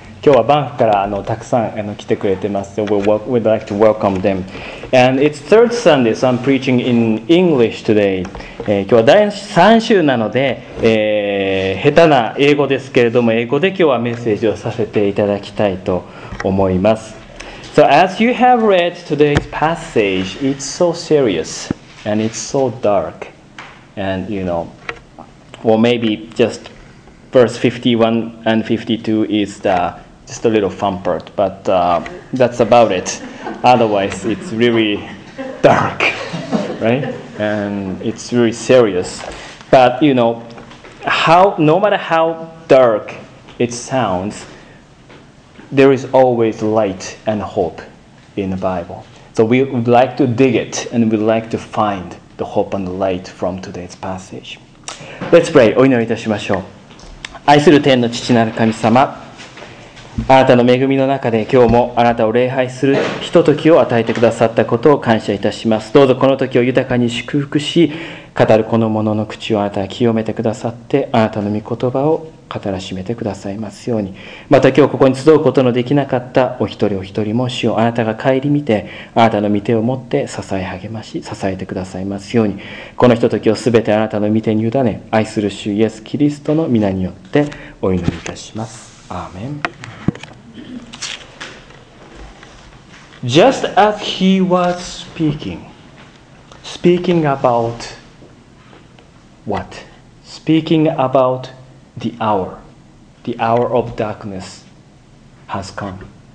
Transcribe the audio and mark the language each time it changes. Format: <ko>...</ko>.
<ja>今日はバンフからたくさん来てくれてます。</ja> <en>So we'd like to welcome them. And it's third Sunday, so I'm preaching in English today.</en> <ja>今日は第3週なので、下手な英語ですけれども、英語で今日はメッセージをさせていただきたいと思います。</ja> <en>So as you have read today's passage, it's so serious. And it's so dark, and you know, or maybe just verse 51 and 52 is the just a little fun part, but that's about it. Otherwise, it's really dark, right? And it's really serious. But you know, no matter how dark it sounds, there is always light and hope in the Bible. So we would like to dig it, and we'd like to find the hope and the light from today's passage. Let's pray.</en> <ja>お祈りいたしましょう。愛する天の父なる神様、あなたの恵みの中で今日もあなたを礼拝するひとときを与えてくださったことを感謝いたします。どうぞこの時を豊かに祝福し、語るこの者の口をあなたは清めてくださって、あなたの御言葉を語らしめてくださいますように。また今日ここに集うことのできなかったお一人お一人も主よ、あなたが顧みてあなたの御手を持って支え励まし支えてくださいますように。このひとときをすべてあなたの御手に委ね、愛する主イエスキリストの御名によってお祈りいたします。アーメン。</ja> <en>Just as he was speaking about The hour of darkness has come.</en>